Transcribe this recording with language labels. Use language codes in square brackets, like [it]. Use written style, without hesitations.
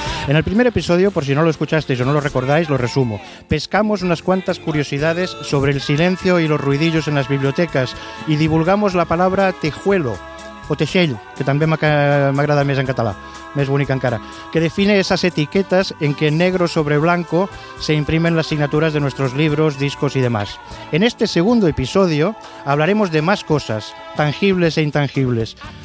[es] En el primer episodio, por si no lo escuchasteis o no lo recordáis, lo resumo. Pescamos unas cuantas curiosidades sobre el silencio y los ruidillos en las bibliotecas y divulgamos la palabra tejuelo. [ca] O teixell, que també m'agrada més en català, més bonica encara, [es] que define esas etiquetas en que negro sobre blanco se imprimen las signaturas de nuestros libros, discos y demás. En este segundo episodio hablaremos de más cosas, tangibles e intangibles.